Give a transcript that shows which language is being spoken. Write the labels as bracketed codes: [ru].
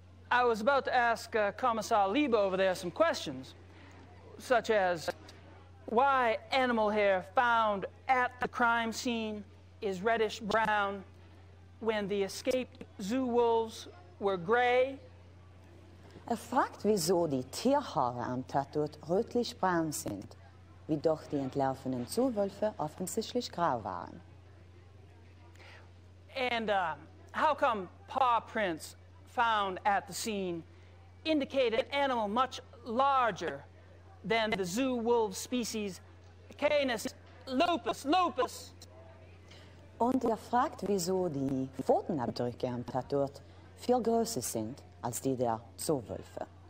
[en] I was about to ask Commissar Lieber over there some questions, such as why animal hair found at the crime scene is reddish brown when the escaped zoo wolves were gray? [de] Er fragt, wieso die Tierhaare am Tatort rötlich braun sind, wie doch die entlaufenen Zoowölfe offensichtlich grau waren. [en] And how come paw prints found at the scene indicate an animal much larger than the zoo wolf species Canis lupus lupus? [de] Und fragt, wieso die Pfotenabdrücke am Tatort viel größer sind als die der Zoowölfe.